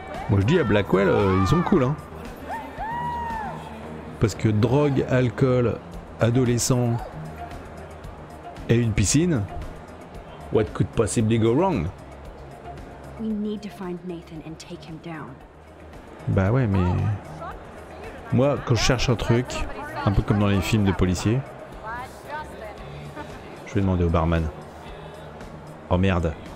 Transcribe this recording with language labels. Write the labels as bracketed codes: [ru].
[fr] Moi je dis à Blackwell, ils sont cool hein. Parce que drogue, alcool, adolescent et une piscine. [en] What could possibly go wrong? We need to find Nathan and take him down. [fr] Bah ouais mais... Moi quand je cherche un truc, un peu comme dans les films de policiers, je vais demander au barman. Oh merde.